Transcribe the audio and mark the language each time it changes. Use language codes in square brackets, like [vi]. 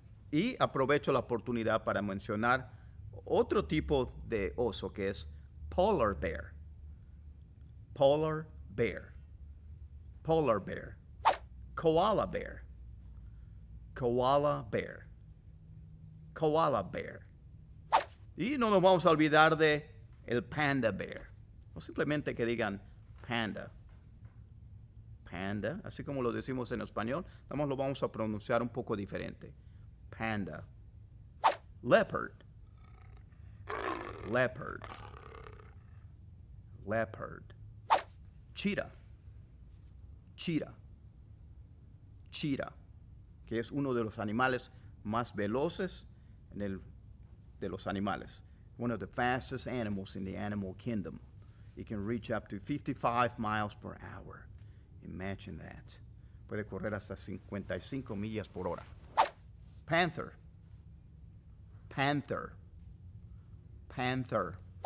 [es] Y aprovecho la oportunidad para mencionar otro tipo de oso que es polar bear. [en] polar bear, polar bear. Koala bear, koala bear, koala bear. [es] Y no nos vamos a olvidar de el panda bear. O simplemente que digan panda. Panda, así como lo decimos en español, nomás lo vamos a pronunciar un poco diferente. [en] Panda. Leopard. Leopard. Leopard. Cheetah. Cheetah. [es] Cheetah, que es uno de los animales más veloces en el, de los animales. [en] One of the fastest animals in the animal kingdom. It can reach up to 55 miles per hour. Imagine that. [es] Puede correr hasta 55 millas por hora. [en] Panther. Panther. Panther.